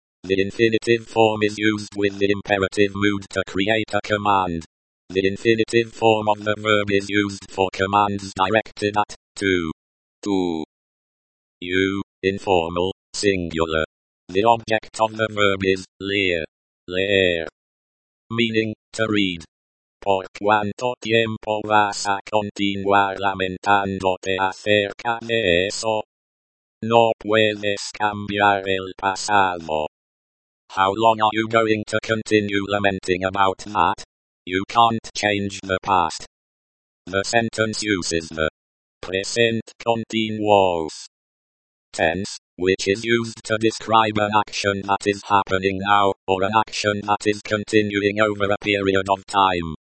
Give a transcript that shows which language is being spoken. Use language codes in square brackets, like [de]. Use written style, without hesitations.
[en] The infinitive form is used with the imperative mood to create a command. The infinitive form of the verb is used for commands directed at, to, you, informal, singular. The object of the verb is leer, leer, meaning, to read. [es] Por cuánto tiempo vas a continuar lamentándote acerca de eso? No puedes cambiar el pasado. [en] How long are you going to continue lamenting about that? You can't change the past. The sentence uses the present continuous tense, which is used to describe an action that is happening now, or an action that is continuing over a period of time.